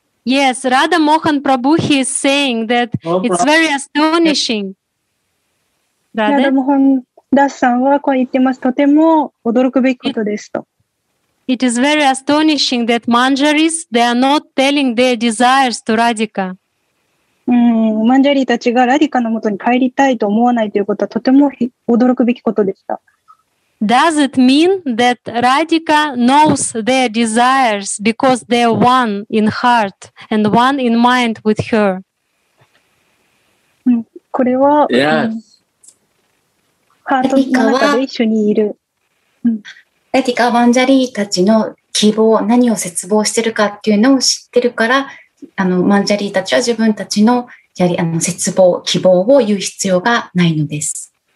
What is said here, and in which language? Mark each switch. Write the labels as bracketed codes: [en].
[en] Yes, Radha Mohan Prabhu, he is saying that it's very astonishing. [ja] Radha Mohan Das-san は言ってます。とても驚くべきことですと。 [en] It is very astonishing that Manjaris, they are not telling their desires to Radhika. [ja] Manjari たちがラディカのもとに帰りたいと思わないということはとても驚くべきことでした。 [en] Does it mean that Radhika knows their desires because they are one in heart and one in mind with her? [ja] これは、ハートの中で一緒にいる。ラディカはマンジャリーたちの希望、何を絶望してるかっていうのを知ってるから、マンジャリーたちは自分たちの、やはり絶望、希望を言う必要がないのです。